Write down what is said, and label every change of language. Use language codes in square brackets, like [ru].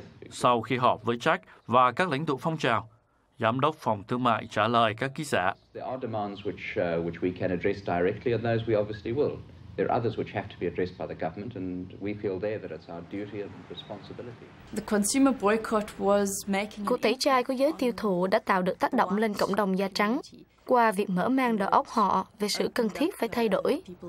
[vi] Sau khi họp với Jack và các lãnh tụ phong trào, Giám đốc Phòng Thương mại trả lời các ký giả. [en] There are demands which we can address directly, and those we obviously will. There are others which have to be addressed by the government, and we feel there that it's our duty and responsibility. The consumer boycott was making. [vi] Cuộc tẩy chay của giới tiêu thụ đã tạo được tác động lên cộng đồng da trắng qua việc mở mang đầu óc họ về sự cần thiết phải thay đổi.